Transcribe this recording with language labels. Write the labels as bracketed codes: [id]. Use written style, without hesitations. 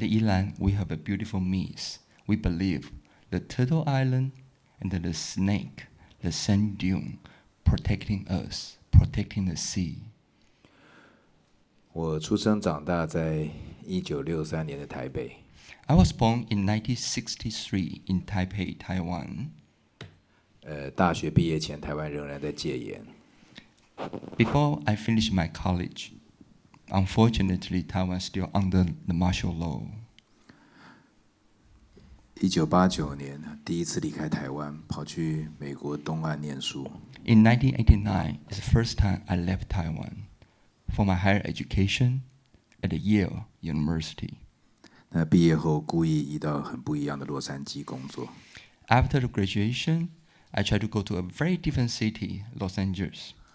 [en] Yilan, we have a beautiful myth. We believe the turtle island and the snake, the sand dune, protecting us, protecting the sea. [zh] 我出生长大在1963年的台北。 [en] I was born in 1963 in Taipei, Taiwan. [zh] 大学毕业前，台湾仍然在戒严。 [en] Before I finished my college, unfortunately, Taiwan is still under the martial law. [zh] 1989年, 第一次离开台湾, 跑去美国东岸念书。 [en] In 1989, it's the first time I left Taiwan for my higher education at Yale University. [zh] 那毕业后故意移到很不一样的洛杉矶工作。 [en] After the graduation, I tried to go to a very different city, Los Angeles.